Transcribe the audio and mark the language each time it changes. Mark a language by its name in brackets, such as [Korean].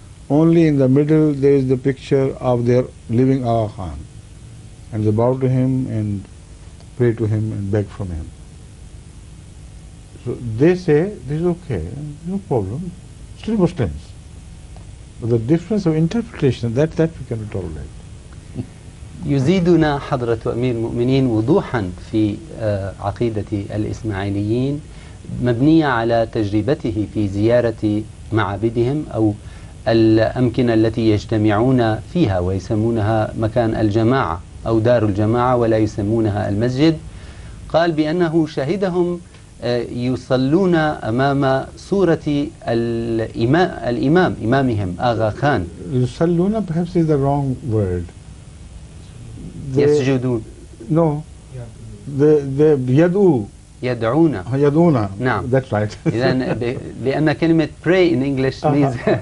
[English] Only in the middle there is the picture of their living Aga Khan. And they bow to him and pray to him and beg from him. So they say, this is okay, no problem, still Muslims. But the difference of interpretation, that we cannot tolerate. [Arabic] يزيدنا حضرة أمير المؤمنين وضوحا في عقيدة الإسماعيليين مبنية على تجربته في زيارة معابدهم أو الأمكنة التي يجتمعون فيها ويسمونها مكان الجماعة أو دار الجماعة ولا يسمونها المسجد. قال بأنه شهدهم يصلون أمام صورة الإمام إمامهم آغا خان. يصلون [English] perhaps is the wrong word. [Arabic] يسجدون. [English] No. [Arabic] يدعو. يدعونا. يدعونا. نعم. [English] That's right. [Arabic] إذن لأن كلمة [English] pray in English means.